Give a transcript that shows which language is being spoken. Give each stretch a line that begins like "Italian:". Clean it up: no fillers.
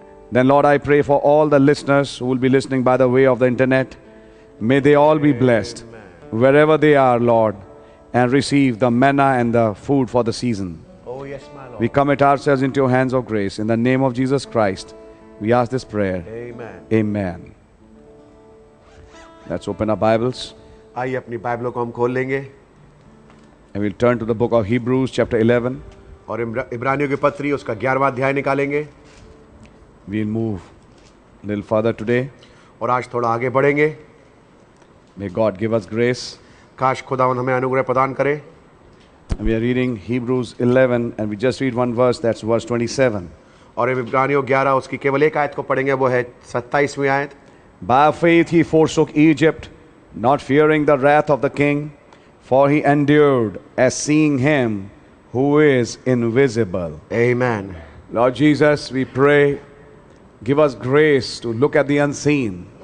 English: Then Lord, I pray for all the listeners who will be listening by the way of the internet. May they all be blessed. Amen. Wherever they are, Lord, and receive the manna and the food for the season. Oh yes, my Lord. We commit ourselves into your hands of grace. In the name of Jesus Christ, we ask this prayer. Amen. Amen. Let's open our Bibles.
Hindi: आइए अपनी बाइबलों को हम खोल लेंगे.
English: And we'll turn to the book of Hebrews chapter 11.
Hindi: और इब्रानियों के पत्री उसका 11वां अध्याय निकालेंगे.
English: We'll move a little further today.
Hindi: और आज थोड़ा आगे बढ़ेंगे.
English: May God give us grace.
Hindi: काश खुदावन हमें अनुग्रह प्रदान करे.
English: We are reading Hebrews 11 and we just read one verse, that's verse 27.
Hindi: और इब्रानियों 11 उसकी केवल एक आयत को पढ़ेंगे, वो है 27वीं आयत.
English: By faith he forsook Egypt, not fearing the wrath of the king, for he endured as seeing him who is invisible. Amen. Lord Jesus, we pray, give us grace to look at the unseen.